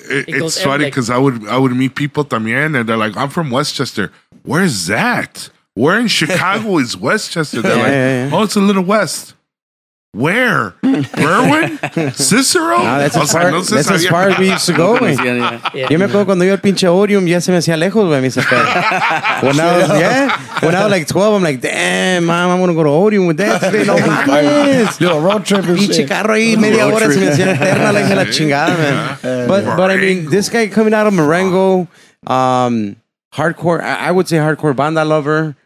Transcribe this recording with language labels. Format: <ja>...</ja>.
<en>it's funny because like, I would meet people también and they're like, I'm from Westchester. Where's that? Where in Chicago is Westchester? They're oh, it's a little west. Where? Berwyn? Cicero? No, that's as far, no, that's as far as we used to go, güey.</en> <es>Yo me acuerdo cuando iba al pinche Orium, ya se me hacía lejos, güey, mis espadas.</es> <en>When I was, when I was like 12, I'm like, damn, mom, I'm going to go to Orium with that. Today. No, man. Little road trip.</en> <es>Pinche carro ahí, media hora, se me hacía eterna, la hija la chingada, man.</es> <en>But I mean, this guy coming out of Marengo, hardcore, I would say hardcore banda lover.</en>